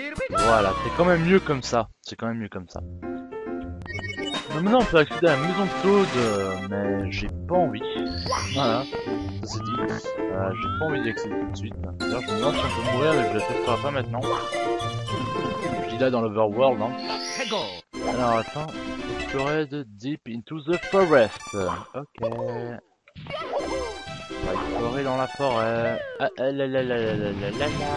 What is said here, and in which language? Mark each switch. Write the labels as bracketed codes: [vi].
[fr] Voilà, c'est quand même mieux comme ça. C'est quand même mieux comme ça. Maintenant, on peut accéder à la maison de Claude, mais j'ai pas envie. Voilà, ça c'est dit. J'ai pas envie d'y accéder tout de suite. D'ailleurs, je me demande si on peut mourir, mais je le testerai pas maintenant. Je dis là dans l'overworld, hein. Alors, attends. [en] Explored deep into the forest. [fr] Ok. On va explorer dans la forêt. Ah, là, là, là, là, là, là, là, là.